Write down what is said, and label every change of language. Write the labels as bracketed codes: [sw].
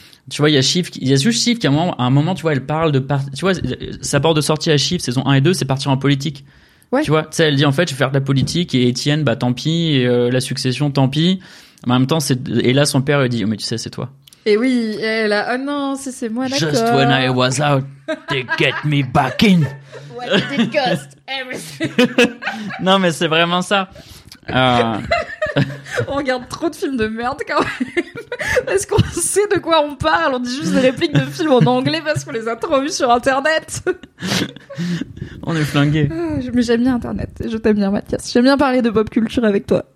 [fr] Tu vois, il y a juste Shiv qui à un moment, tu vois, elle parle de partir. Tu vois, sa porte de sortie à Shiv, saison 1 et 2, c'est partir en politique. Ouais. Tu vois, tu sais, elle dit en fait, je vais faire de la politique et Étienne, bah tant pis, et, la succession, tant pis. Mais en même temps, c'est... et là, son père lui dit, oh, mais tu sais, c'est toi. Et oui, et elle a, oh non, c'est moi, d'accord. [en] Just when I was out, they get me back in. What did cost everything? [fr] Non, mais c'est vraiment ça. On regarde trop de films de merde quand même. Est-ce qu'on sait de quoi on parle? On dit juste des répliques de films en anglais parce qu'on les a trop vus sur Internet. On est flingués. Mais j'aime bien Internet. Je t'aime bien, Mathias. J'aime bien parler de pop culture avec toi.